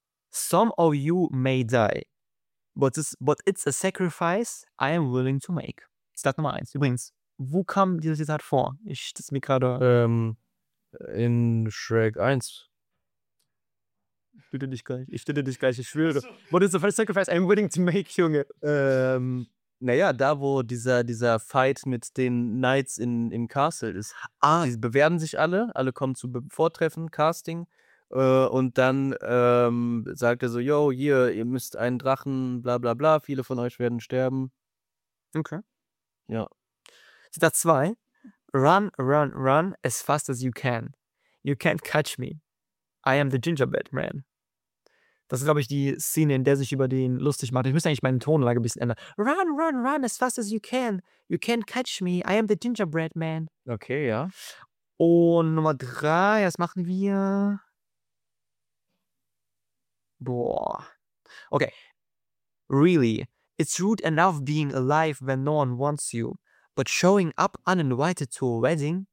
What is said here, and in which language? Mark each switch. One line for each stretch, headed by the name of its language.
English: Some of you may die, but it's a sacrifice I am willing to make.
German: Zitat Nummer 1. Übrigens, wo kam dieses Zitat vor? Ich das mir gerade. In Shrek 1. Ich bitte dich gleich, ich schwöre. So.
English: But it's a sacrifice I'm willing to make,
German: Junge. Naja, da wo dieser Fight mit den Knights im Castle ist. Ah, sie bewerben sich alle kommen zu Vortreffen, Casting. Und dann sagt er so, yo, hier, ihr müsst einen Drachen, bla bla bla, viele von euch werden sterben. Okay. Ja. Zitat 2.
English: Run, run, run as fast as you can. You can't catch me. I am the gingerbread man.
German: Das ist, glaube ich, die Szene, in der sich über den lustig macht. Ich müsste eigentlich meine Tonlage ein bisschen ändern.
English: Run, run, run as fast as you can. You can't catch me. I am the gingerbread man.
German: Okay, ja. Und Nummer 3, was machen wir? Boah. Okay.
English: Really, it's rude enough being alive when no one wants you, but showing up uninvited to a wedding...